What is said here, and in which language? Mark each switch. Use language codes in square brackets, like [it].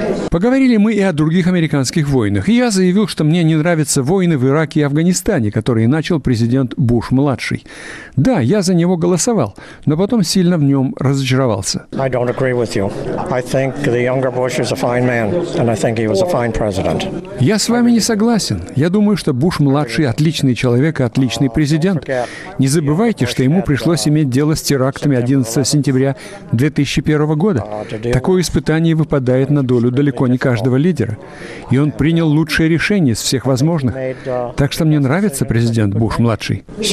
[ru] Поговорили мы и о других американских войнах. И я заявил, что мне не нравятся войны в Ираке и Афганистане, которые начал президент Буш-младший. Да, я за него голосовал, но потом сильно в нем разочаровался. [en] I don't agree with you. I think the younger Bush is a fine man, and I think he was a fine president. [ru] Я с вами не согласен. Я думаю, что Буш-младший отличный человек и отличный президент. Не забывайте, что ему пришлось иметь дело с терактами 11 сентября 2001 года. Такое испытание выпадает на долю далеко не каждого лидера. И он принял лучшее решение из всех возможных. Так что мне нравится президент Буш-младший.